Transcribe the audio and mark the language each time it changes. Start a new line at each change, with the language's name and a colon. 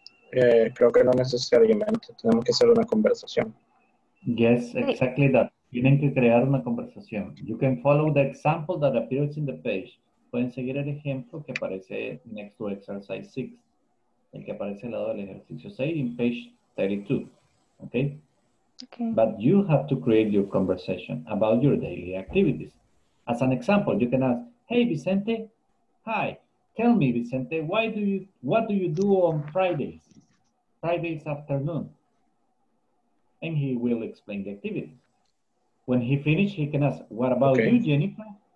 Spanish: Creo que no necesariamente tenemos que hacer una conversación.
English: Yes, exactly that.
Spanish: Tienen que crear una conversación.
English: You can follow the example that appears in the page.
Spanish: Pueden seguir el ejemplo que aparece
English: next to exercise 6,
Spanish: el que aparece al lado del ejercicio 6
English: in page 32. Okay? Okay. But you have to create your conversation about your daily activities. As an example, you can ask, hey Vicente, hi. Tell me, Vicente, what do you do on Fridays afternoon? and he will explain the activity. When he finished, he can ask, what about you, Jennifer?